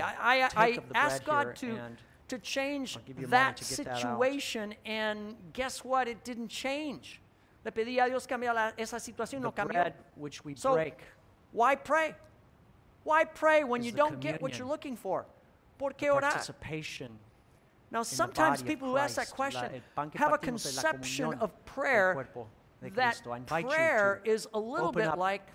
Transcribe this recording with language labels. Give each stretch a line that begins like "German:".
English: I asked God to change that situation, and guess what? It didn't change.
Spanish: Le pedí a Dios cambiar esa situación, no cambió.
English: The bread which we break. Why pray? Why pray when you don't get what you're looking for?
Spanish: ¿Por qué orar?
English: Participation. Now, sometimes people who ask that question have a conception of prayer that prayer is a little bit like